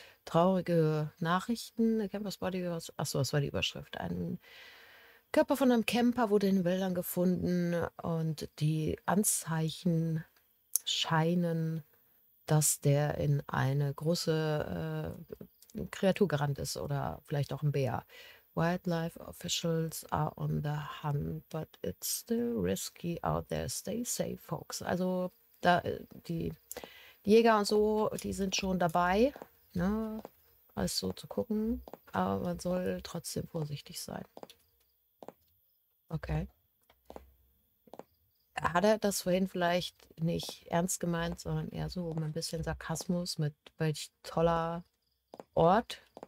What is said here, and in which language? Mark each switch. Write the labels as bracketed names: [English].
[German] traurige Nachrichten. Der Camper's Body, achso, das war die Überschrift. Ein Körper von einem Camper wurde in den Wäldern gefunden und die Anzeichen scheinen, dass der in eine große Kreatur gerannt ist oder vielleicht auch ein Bär. [English] Wildlife officials are on the hunt, but it's still risky out there. Stay safe, folks. [German] Also da, die Jäger und so, die sind schon dabei, ne, alles so zu gucken. Aber man soll trotzdem vorsichtig sein. Okay. Hat er das vorhin vielleicht nicht ernst gemeint, sondern eher so ein bisschen Sarkasmus mit welch toller Ort?